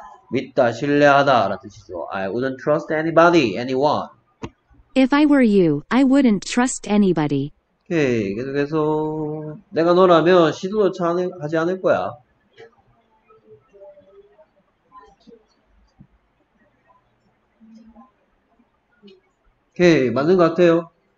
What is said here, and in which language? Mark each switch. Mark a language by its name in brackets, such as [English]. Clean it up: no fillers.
[Korean] 믿다, 신뢰하다라는 뜻이죠. [English] I wouldn't trust anybody, anyone. If I were you, I wouldn't trust anybody. [Korean] 오케이, 계속해서 내가 너라면 시도조차 하지 않을 거야. 오케이, 맞는 것 같아요.